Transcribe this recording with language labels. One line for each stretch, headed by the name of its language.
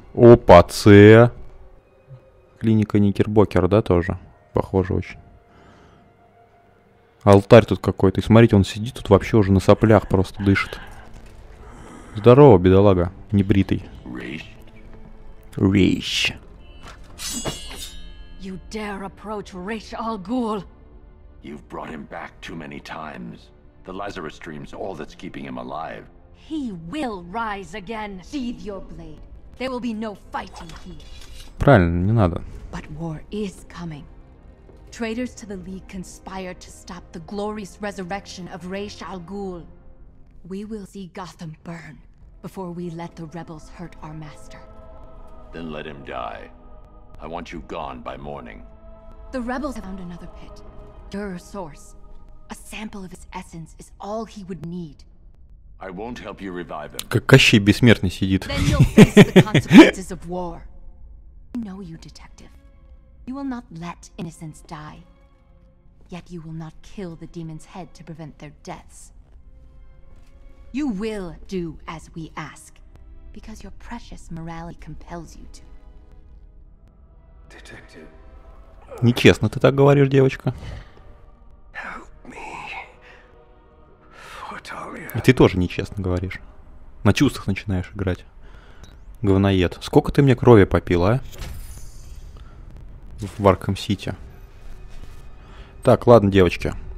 Russian: Опа, це... Клиника Никербокер, да, тоже? Похоже очень. Алтарь тут какой-то. И смотрите, он сидит тут вообще уже на соплях, просто дышит. Здорово, бедолага. Небритый. Рейч.
English: You dare approach Ra's al Ghul? You've brought him back too many times. The Lazarus dream's all that's keeping him alive. He will rise again. Sheathe your blade. There will be no fighting here.
Russian: Правильно, не надо.
English: But war is coming. Traitors to the League conspire to stop the glorious resurrection of Ra's al Ghul. We will see Gotham burn before we let the rebels hurt our master. Then let him die. I want you gone by morning. The rebels have found another pit. Durr's source. A sample of his essence is all he would need. I won't help you revive him.
Russian: Как Кощей Бессмертный сидит.
English: Then you'll face the consequences of war. I know you, detective. You will not let innocents die. Yet you will not kill the demon's head to prevent their deaths. You will do as we ask, because your precious morality compels you to. Detective.
Russian: Нечестно ты так говоришь, девочка.
English: Help me. Фаталия.
Russian: И ты тоже нечестно говоришь. На чувствах начинаешь играть. Говноед. Сколько ты мне крови попил, а? В Arkham City. Так, ладно, девочки.